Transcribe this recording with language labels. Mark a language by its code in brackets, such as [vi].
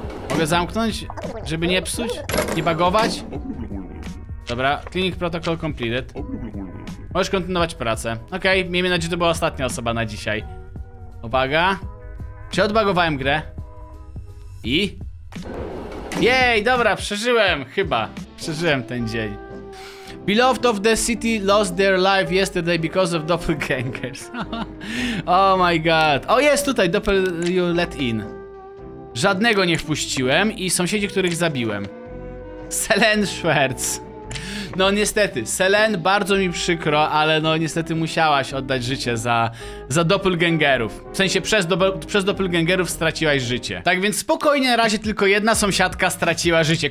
[pl] Mogę zamknąć, żeby nie psuć? Nie bagować? Dobra, [en] clinic protocol completed. [pl] Możesz kontynuować pracę. Okej, okay, miejmy nadzieję, że to była ostatnia osoba na dzisiaj. Uwaga. Czy odbagowałem grę? I? Jej, dobra, przeżyłem, chyba. Przeżyłem ten dzień. [en] Beloved of the city lost their life yesterday because of doppelgangers. Oh my god. [pl] O, jest tutaj, [en] doppel you let in. [pl] Żadnego nie wpuściłem i sąsiedzi, których zabiłem. Selene Schwartz. No niestety, Selene, bardzo mi przykro, ale no niestety musiałaś oddać życie za doppelgangerów. W sensie przez doppelgangerów straciłaś życie. Tak więc spokojnie, na razie tylko jedna sąsiadka straciła życie.